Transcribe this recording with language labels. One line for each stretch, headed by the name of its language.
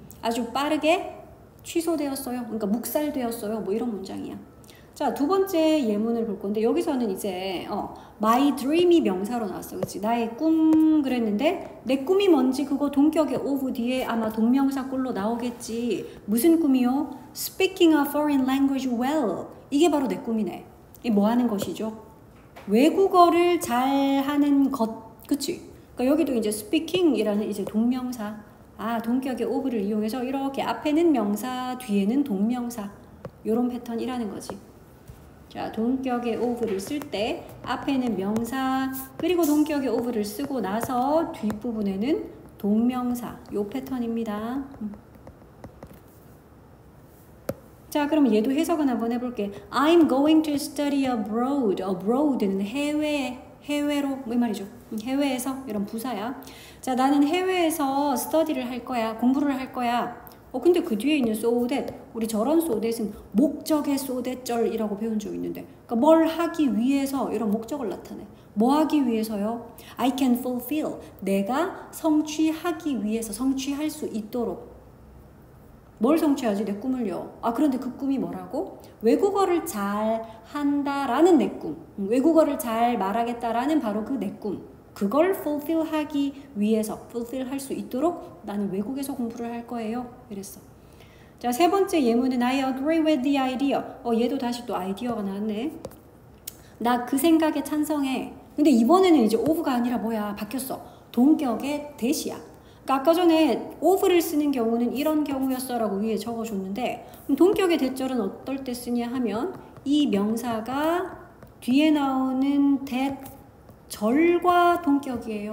Korean: 아주 빠르게 취소되었어요. 그러니까 묵살되었어요. 뭐 이런 문장이야. 자, 두 번째 예문을 볼 건데 여기서는 이제 my dream이 명사로 나왔어, 그치? 나의 꿈 그랬는데 내 꿈이 뭔지 그거 동격의 of 뒤에 아마 동명사 꼴로 나오겠지. 무슨 꿈이요?
English: speaking a foreign language well.
Korean: 이게 바로 내 꿈이네. 이게 뭐 하는 것이죠? 외국어를 잘 하는 것, 그치? 그러니까 여기도 이제 speaking이라는 이제 동명사, 아 동격의 of를 이용해서 이렇게 앞에는 명사 뒤에는 동명사 요런 패턴이라는 거지. 자, 동격의 of를 쓸 때 앞에는 명사 그리고 동격의 of를 쓰고 나서 뒷부분에는 동명사 요 패턴입니다. 자, 그럼 얘도 해석을 한번 해볼게.
English: I'm going to study abroad.
Korean: Abroad는 해외로 뭐 말이죠? 해외에서 이런 부사야. 자, 나는 해외에서 study를 할 거야. 공부를 할 거야. 근데 그 뒤에 있는 so that, 우리 저런 so that은 목적의 so that절이라고 배운 적 있는데, 그러니까 뭘 하기 위해서 이런 목적을 나타내. 뭐 하기 위해서요?
English: I can fulfill.
Korean: 내가 성취하기 위해서, 성취할 수 있도록. 뭘 성취하지? 내 꿈을요. 아, 그런데 그 꿈이 뭐라고? 외국어를 잘 한다라는 내 꿈. 외국어를 잘 말하겠다라는 바로 그 내 꿈. 그걸 fulfill 하기 위해서, fulfill 할 수 있도록 나는 외국에서 공부를 할 거예요. 이랬어.
English: 자, 세 번째 예문은 I agree with the idea.
Korean: 얘도 다시 또 아이디어가 나왔네. 나 그 생각에 찬성해. 근데 이번에는 이제 of가 아니라 뭐야? 바뀌었어. 동격의 대시야. 그러니까 아까 전에 of를 쓰는 경우는 이런 경우였어 라고 위에 적어줬는데 동격의 대절은 어떨 때 쓰냐 하면 이 명사가 뒤에 나오는 that 절과 동격이에요.